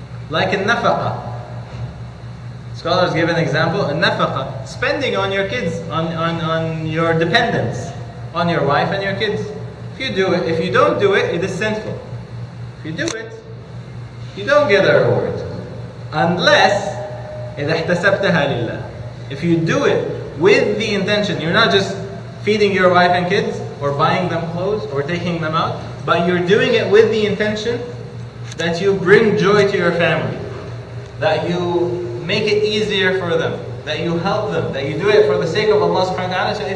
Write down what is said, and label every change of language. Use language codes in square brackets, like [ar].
[en] Like in nafaqah. Scholars give an example. In nafaqah, spending on your kids, on your dependents. On your wife and your kids. If you do it, if you don't do it, it is sinful. If you do it, you don't get a reward. [ar] Unless, إِذَا احْتَسَبْتَهَا لِلَّهِ. [en] If you do it with the intention, you're not just feeding your wife and kids, or buying them clothes, or taking them out, but you're doing it with the intention that you bring joy to your family, that you make it easier for them, that you help them, that you do it for the sake of Allah subhanahu wa ta'ala.